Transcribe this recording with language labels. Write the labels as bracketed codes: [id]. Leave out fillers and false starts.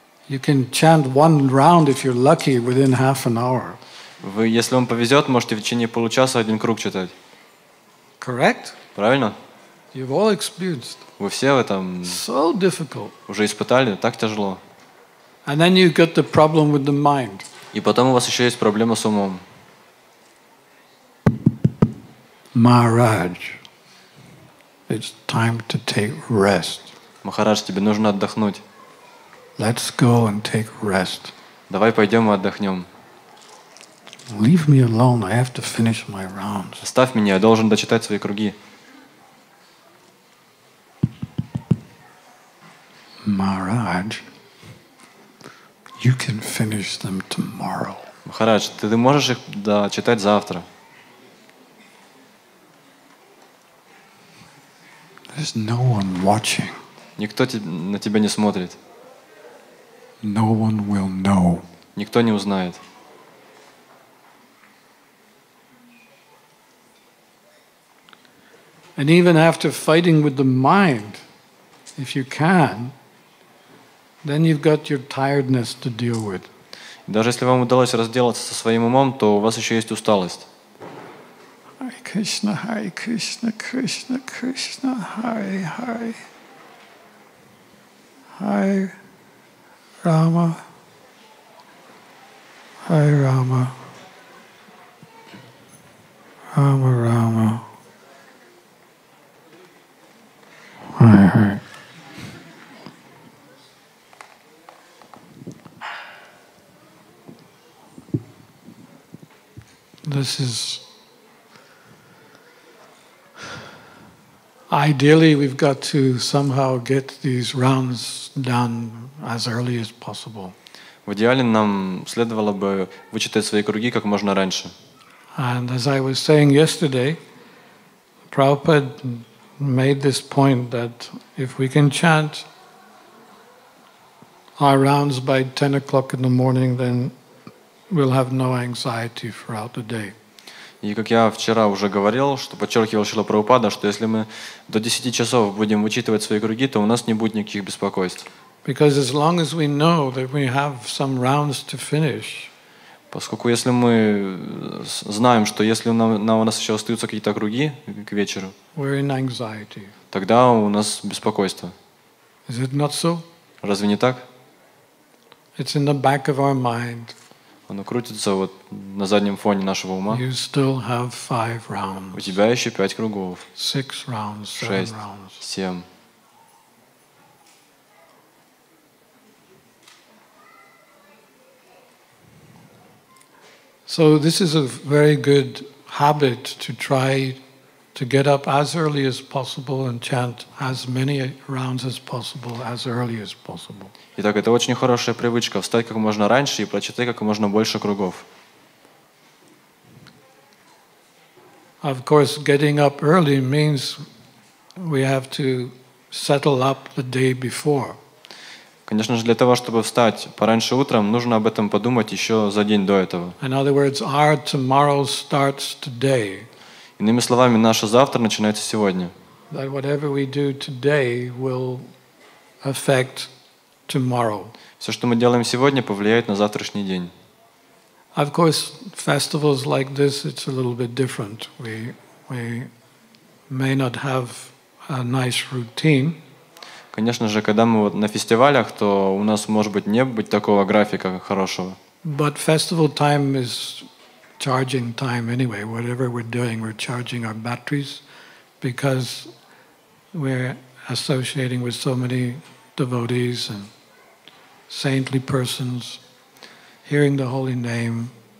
[en] You can chant one round if you're lucky within half an hour. [ru] Вы, если вам повезет, можете в течение получаса один круг читать. [en] Correct? [ru] Правильно? [en] You've all experienced. [ru] Вы все в этом [en] so difficult. [ru] Уже испытали, так тяжело. [en] And then you get the problem with the mind. [ru] И потом у вас еще есть проблема с умом. [en] Maharaj, it's time to take rest. [ru] Махарадж, тебе нужно отдохнуть. [en] Let's go and take rest. [ru] Давай пойдем и отдохнем. [en] Leave me alone. I have to finish my rounds. [ru] Оставь меня, я должен дочитать свои круги. [en] Maharaj, you can finish them tomorrow. [ru] Махарадж, ты можешь их дочитать завтра. [en] There's no one watching. [ru] Никто на тебя не смотрит. [en] No one will know. [ru] Никто не узнает. [en] And even after fighting with the mind, if you can, then you've got your tiredness to deal with. [ru] Даже если вам удалось разделаться со своим умом, то у вас еще есть усталость. [sa] Hare Krishna, Hare Krishna, Krishna Krishna, Hare Hare. Hare Rama, Hare Rama, Rama Rama, Hare Hare. [en] This is ideally we've got to somehow get these rounds done as early as possible. [ru] В идеале нам следовало бы вычитать свои круги как можно раньше. [en] And as I was saying yesterday, Prabhupada made this point that if we can chant our rounds by 10 o'clock in the morning, then we'll have no anxiety throughout the day. [ru] И как я вчера уже говорил, что подчеркивал Шрила Прабхупада, что если мы до 10 часов будем вычитывать свои круги, то у нас не будет никаких беспокойств. [en] Because as long as we know that we have some rounds to finish. [ru] Поскольку если мы знаем, что если у нас еще остаются какие-то круги к вечеру, [en] we're in anxiety. [ru] Тогда у нас беспокойство. [en] Is it not so? [ru] Разве не так? [en] It's in the back of our mind. [ru] Оно крутится вот на заднем фоне нашего ума. [en] You still have 5 rounds. [ru] У тебя еще 5 кругов. [en] 6 rounds. [ru] 6, 7. [en] So this is a very good habit to try to get up as early as possible and chant as many rounds as possible as early as possible. [ru] Итак, это очень хорошая привычка встать как можно раньше и прочитать как можно больше кругов. [en] Of course, getting up early means we have to settle up the day before. [ru] Конечно же, для того, чтобы встать пораньше утром, нужно об этом подумать еще за день до этого. [en] In other words, our tomorrow starts today. [ru] Иными словами, наше завтра начинается сегодня. [en] That whatever we do today will affect tomorrow. [ru] Все, что мы делаем сегодня, повлияет на завтрашний день. [en] Of course, festivals like this, it's a little bit different. We may not have a nice routine. [ru] Конечно же, когда мы вот на фестивалях, то у нас может быть не быть такого графика хорошего. [en] But festival time is charging time anyway. Whatever we're doing, we're charging our batteries because we're associating with so many devotees and saintly persons, hearing the holy name.